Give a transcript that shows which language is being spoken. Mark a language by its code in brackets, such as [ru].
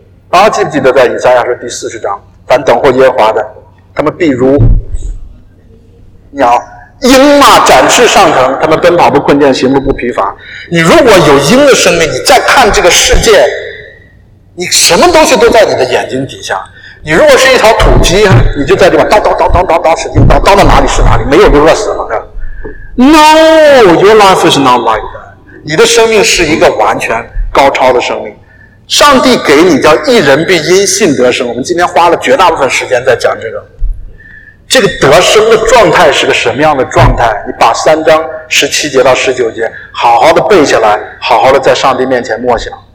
[zh] 大家记不记得在以赛亚书第40章，凡等候耶和华的，他们必如鸟，鹰嘛展翅上腾，他们奔跑不困倦，行路不疲乏。你如果有鹰的生命，你再看这个世界，你什么东西都在你的眼睛底下。你如果是一条土鸡，你就在这边叨叨叨叨叨叨使劲叨，叨到哪里是哪里，没有就饿死了。 [en] No, your life is not like that. [zh] 你的生命是一个完全高超的生命。上帝给你叫一人必因信得生，我们今天花了绝大部分时间在讲这个。这个得生的状态是个什么样的状态？你把三章十七节到十九节好好的背下来，好好的在上帝面前默想。